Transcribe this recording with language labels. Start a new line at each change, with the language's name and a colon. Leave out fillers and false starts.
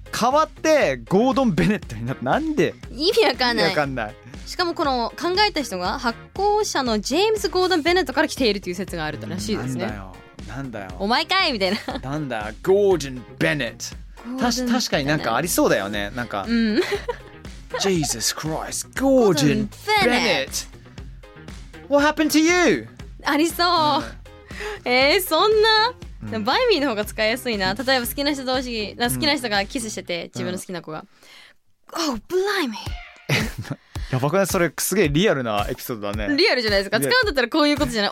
Japanese: 変わってゴードン・ベネットになった。なんで意味わかんない、意味わかんない。しかもこの考えた人が発行者のジェームズ・ゴードン・ベネットから来ているという説があるらしいですね。なんだよなんだよ、お前かいみたいな。なんだゴードン・ベネット、確かになんかありそうだよね、なんか、うん、
English: Jesus Christ Gordon Bennett What happened to you?
Japanese: ありそう、うん、そんな、うん、でもバイミーの方が使いやすいな。例えば好きな人同士、好きな人がキスしてて、うん、自分の好きな子が、うん、
English: Oh, blimey
Japanese: やばくない？それすげえリアルなエピソードだね。リアルじゃないですか。使うんだったらこういうことじゃない。